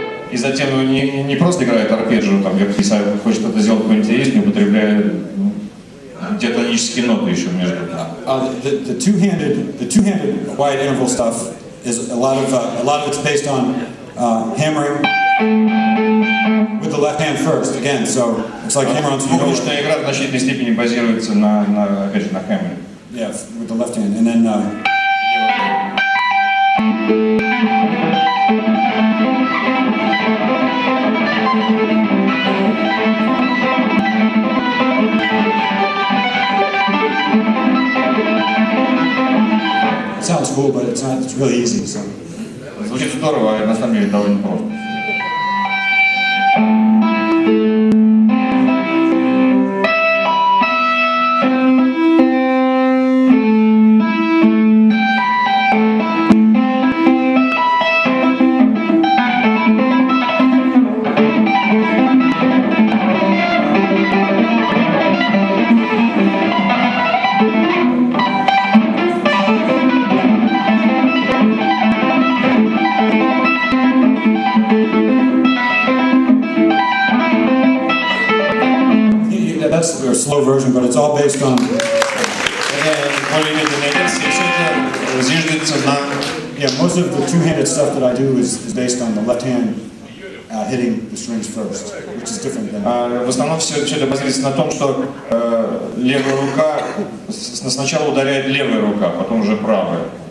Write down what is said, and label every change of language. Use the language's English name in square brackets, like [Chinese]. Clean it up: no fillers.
[Russian] И затем не просто играет арпеджио, там, если хочет это сделать какой-нибудь интереснее, употребляет диатонические ноты еще между. [English] The two-handed quiet interval stuff is a lot of it's based on hammering with the left hand first, again, so it's like hammer on. [Russian] Двухручная игра в значительной степени базируется на опять же, на хэмминг. [English] Yeah, with the left hand, and then. Cool, but it's really easy, so. [Russian] Звучит здорово, а на самом деле довольно просто. [English] I slow version, but it's all based on... Yeah, most of the two-handed stuff that I do is based on the left hand hitting the strings first, which is different than... [Russian] В основном все это базируется на том, что левая рука сначала ударяет левая рука, потом уже правая.